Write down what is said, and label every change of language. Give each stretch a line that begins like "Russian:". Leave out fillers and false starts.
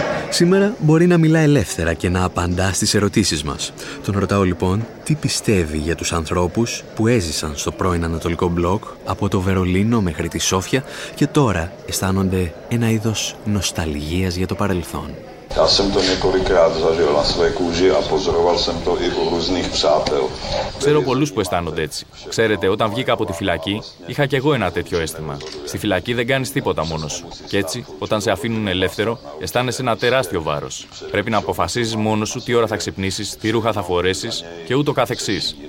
Greek: Σήμερα μπορεί να μιλά ελεύθερα και να απαντά στις ερωτήσεις μας. Τον ρωτάω λοιπόν τι πιστεύει για τους ανθρώπους που έζησαν στο πρώην Ανατολικό Μπλοκ από το Βερολίνο μέχρι τη Σόφια και τώρα αισθάνονται ένα είδος νοσταλγίας για το παρελθόν.
Czech: Já jsem to několikrát zažil na své kůži a pozoroval jsem to i u různých přátel.
Greek: Ξέρω πολλούς που αισθάνονται έτσι. Ξέρετε, όταν βγήκα από τη φυλακή, είχα κι εγώ ένα τέτοιο αίσθημα. Στη φυλακή δεν κάνεις τίποτα μόνος σου. Και έτσι, όταν σε αφήνουν ελεύθερο, αισθάνεσαι ένα τεράστιο βάρος. Πρέπει να αποφασίζεις μόνος σου τι ώρα θα ξυπνήσεις, τι ρούχα θα φορέσεις και ούτω καθεξής.